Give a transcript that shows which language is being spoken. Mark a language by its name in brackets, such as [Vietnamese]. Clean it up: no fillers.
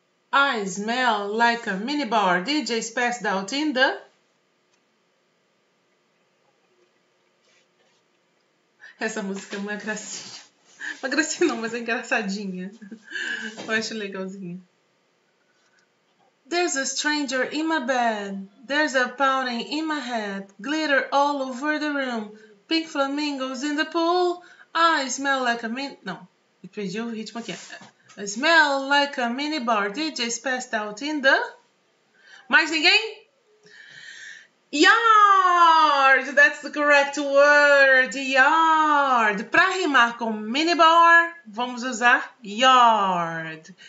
[English] I smell like a minibar. DJ's passed out in the... [Portuguese] Essa música é uma gracinha. Uma gracinha não, mas é engraçadinha. Eu acho legalzinha. [English] There's a stranger in my bed. There's a pony in my head. Glitter all over the room. Pink flamingos in the pool. I smell like a mini. [Portuguese] Não, eu perdi o ritmo aqui. [English] I smell like a mini bar. DJ's passed out in the. [Portuguese] Mais ninguém? [English] Yard! That's the correct word. [Portuguese] Yard! Para rimar com minibar, vamos usar yard.